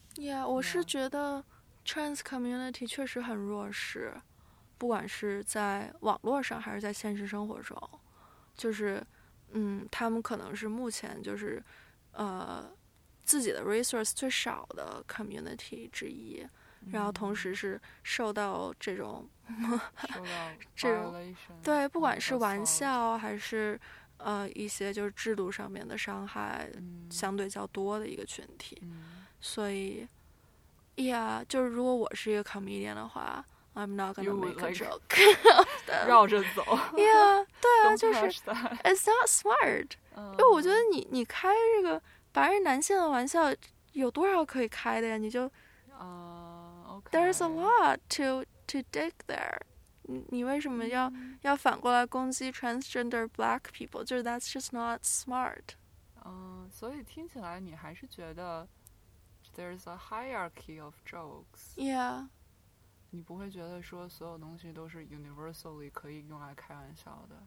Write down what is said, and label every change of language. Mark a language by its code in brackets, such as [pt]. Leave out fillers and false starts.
[zh] ，Yeah， 我是觉得 trans community 确实很弱势，不管是在网络上还是在现实生活中，就是他们可能是目前就是自己的 resource 最少的 community 之一，嗯、然后同时是受到这种。受到 violation，对，不管是玩笑还是一些就是制度上面的伤害相对较多的一个群体、嗯、所以 yeah 就是如果我是一个 comedian 的话 [en] I'm not gonna make a joke [zh] 绕着走 yeah 对啊就是 [en] it's not smart、 [zh] 因为我觉得你开这个白人男性的玩笑有多少可以开的呀，你就 [en] okay. there's a lot to dig there， [zh] 你为什么要反过来攻击 [en] transgender black people， 就是 that's just not smart。 [zh] 所以听起来你还是觉得 [en] there's a hierarchy of jokes。 yeah， [zh] 你不会觉得说所有东西都是 universally 可以用来开玩笑的。